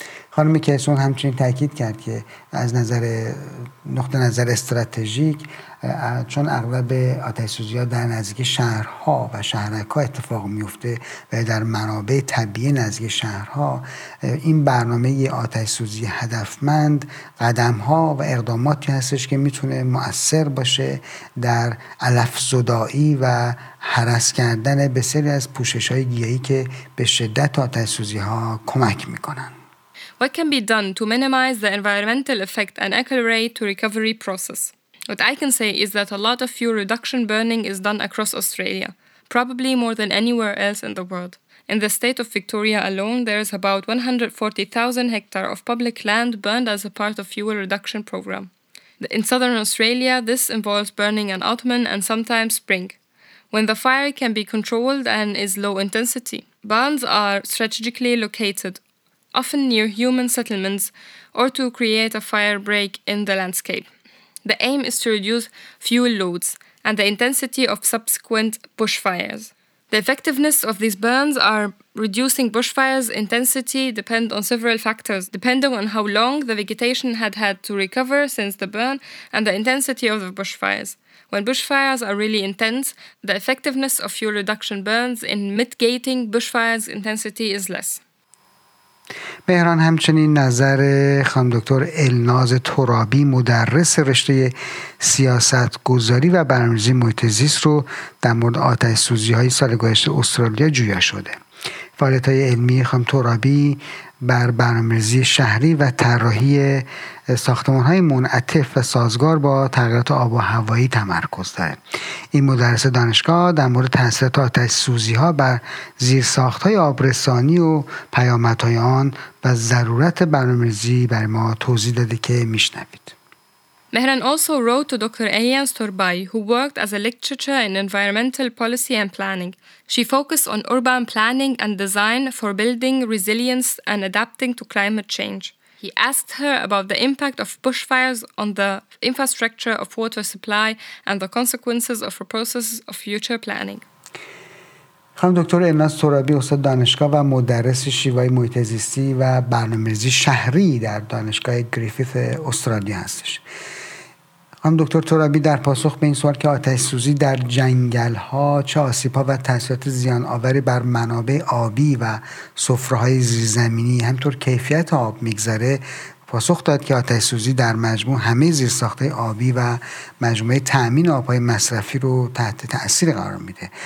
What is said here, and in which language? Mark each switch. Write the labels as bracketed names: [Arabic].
[Persian] خانم کیسون همچنین تاکید کرد که از نظر نقطه نظر استراتژیک، چون اغلب آتش سوزی ها در نزدیکی شهرها و شهرک ها اتفاق میفته و در منابع طبیعی نزدیک شهرها، این برنامه آتش سوزی هدفمند قدم ها و اقداماتی هستش که میتونه مؤثر باشه در علف زدائی و هرس کردن بسیاری از پوشش های گیاهی که به شدت آتش سوزی ها کمک میکنن. [English] What can be done to minimize the environmental effect and accelerate the recovery process? What I can say is that a lot of fuel reduction burning is done across Australia, probably more than anywhere else in the world. In the state of Victoria alone, there is about 140,000 hectares of public land burned as a part of fuel reduction program. In southern Australia, this involves burning an autumn and sometimes spring, when the fire can be controlled and is low intensity. Barns are strategically located, often near human settlements or to create a fire break in the landscape. The aim is to reduce fuel loads and the intensity of subsequent bushfires. The effectiveness of these burns are reducing bushfires intensity depend on several factors, depending on how long the vegetation had had to recover since the burn and the intensity of the bushfires. When bushfires are really intense, the effectiveness of fuel reduction burns in mitigating bushfires intensity is less. [Persian] بهران همچنین نظر خانم دکتر الناز ترابی مدرس رشته سیاست گذاری و برنامه‌ریزی محیط زیست رو در مورد آتش سوزی های سال گذشته استرالیا جویا شده. فعالیت های علمی خانم ترابی بر برنامه‌ریزی شهری و طراحی ساختمان‌های منعطف و سازگار با تغییرات آب و هوایی تمرکز داره. این مدرس دانشگاه در مورد تأثیرات آتش سوزی ها بر زیرساخت‌های آبرسانی و پیامدهای آن و ضرورت برنامه‌ریزی برای ما توضیح داده که میشنوید. [English] Mehran also wrote to Dr. Ayan Sturbay, who worked as a lecturer in environmental policy and planning. She focused on urban planning and design for building resilience and adapting to climate change. He asked her about the impact of bushfires on the infrastructure of water supply and the consequences of the process of future planning. [Persian] خانم دکتر ایناس سورابی استاد دانشگاه و مدرس شیوه محیط زیستی و برنامه‌ریزی شهری در دانشگاه گریفیث استرالیا هستش. خانم دکتر تورابی در پاسخ به این سوال که آتش سوزی در جنگل ها چه آسیب‌ها و تاثیرات زیان آوری بر منابع آبی و سفره‌های زیرزمینی همطور کیفیت آب می‌گذاره، پاسخ داد که آتش سوزی در مجموع همه زیرساخت های آبی و مجموعه تأمین آبهای مصرفی رو تحت تأثیر قرار میده.